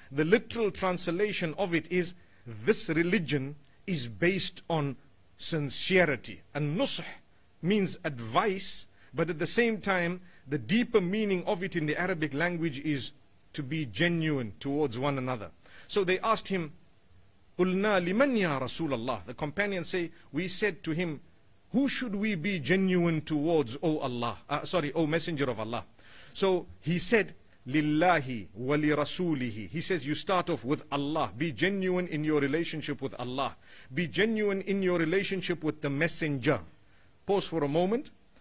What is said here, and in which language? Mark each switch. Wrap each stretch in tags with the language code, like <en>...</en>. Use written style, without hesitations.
<en>The literal translation of it is, this religion is based on sincerity. And nusuh means advice, but at the same time, the deeper meaning of it in the Arabic language is to be genuine towards one another.</en> <ar>So they asked him, قُلْنَا لِمَنْ يَا رَسُولَ اللَّهِ.</ar> <en>The companions say, we said to him, who should we be genuine towards, O Allah? O Messenger of Allah.</en> <ar>So he said, لِلَّهِ وَلِرَسُولِهِ.</ar> <en>He says, you start off with Allah. Be genuine in your relationship with Allah. Be genuine in your relationship with the Messenger. Pause for a moment.</en>